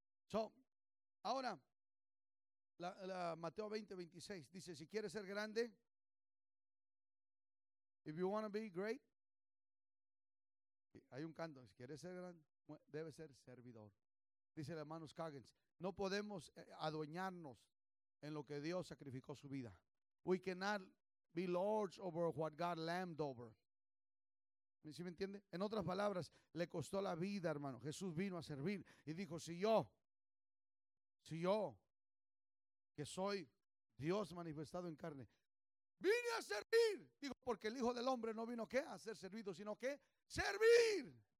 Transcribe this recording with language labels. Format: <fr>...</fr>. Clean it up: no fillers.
<es>So, ahora, la Mateo 20:26 dice, si quieres ser grande,</es> <en>if you want to be great,</en> <es>hay un canto, si quieres ser grande, debe ser servidor. Dice el hermano Scoggins, no podemos adueñarnos en lo que Dios sacrificó su vida.</es> <en>We cannot be lords over what God lambed over.</en> <es>¿Sí me entiende? En otras palabras, le costó la vida, hermano. Jesús vino a servir y dijo, si yo, que soy Dios manifestado en carne, vine a servir. Digo, porque el Hijo del Hombre no vino, ¿qué? A ser servido, sino que servir.</es>